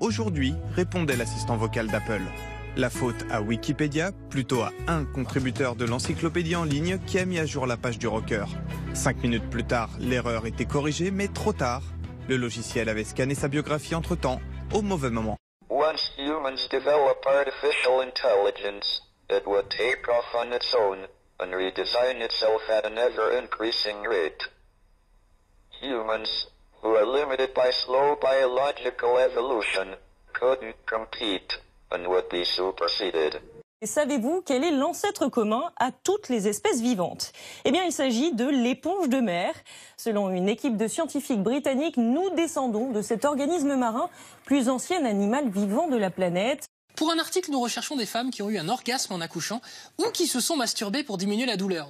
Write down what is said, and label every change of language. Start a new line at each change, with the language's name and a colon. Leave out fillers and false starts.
French: aujourd'hui, répondait l'assistant vocal d'Apple. La faute à Wikipédia, plutôt à un contributeur de l'encyclopédie en ligne qui a mis à jour la page du rocker. 5 minutes plus tard, l'erreur était corrigée, mais trop tard. Le logiciel avait scanné sa biographie entre-temps, au mauvais moment.
English: Once humans develop artificial intelligence, it would take off on its own and redesign itself at an ever-increasing rate. Humans, who are limited by slow biological evolution, couldn't compete. And would be superseded.
French: Et savez-vous quel est l'ancêtre commun à toutes les espèces vivantes? Eh bien, il s'agit de l'éponge de mer. Selon une équipe de scientifiques britanniques, nous descendons de cet organisme marin, plus ancien animal vivant de la planète. Pour un article, nous recherchons des femmes qui ont eu un orgasme en accouchant ou qui se sont masturbées pour diminuer la douleur.